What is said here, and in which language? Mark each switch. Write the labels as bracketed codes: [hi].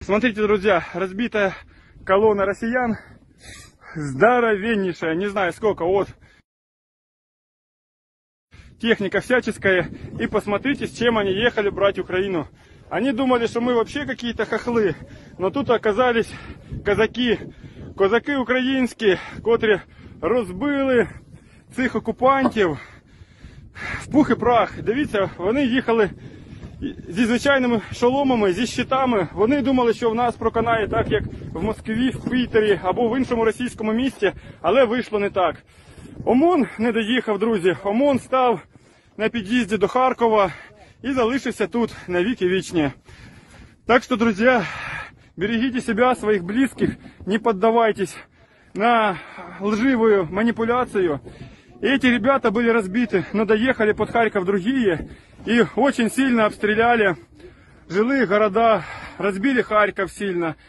[ru] Смотрите, друзья, разбитая колонна россиян. Здоровеннейшая, не знаю сколько, вот. Техника всяческая. И посмотрите, с чем они ехали брать Украину. Они думали, что мы вообще какие-то хохлы. Но тут оказались казаки. [uk] Козаки украинские, котрі розбили цих окупантів в пух і прах. Дивіться, вони їхали зі звичайними шоломами, зі щитами. Вони думали, що в нас проканає так, як в Москві, в Пітері або в іншому російському місті, але вийшло не так. ОМОН не доїхав, друзі. ОМОН став на під'їзді до Харкова і залишився тут навіки вічні. [ru] Так що, друзі, берегите себя, своих близких, не поддавайтесь на лживую манипуляцию. Эти ребята были разбиты, но доехали под Харьков другие и очень сильно обстреляли жилые города, разбили Харьков сильно.